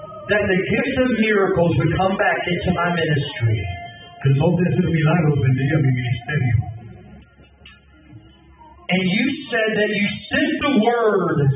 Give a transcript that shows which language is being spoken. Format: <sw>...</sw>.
<en>that the gift of miracles would come back into my ministry.</en> <es>Que el don de hacer milagros vendría a mi ministerio.</es> <en>And you said that you sent the word.</en>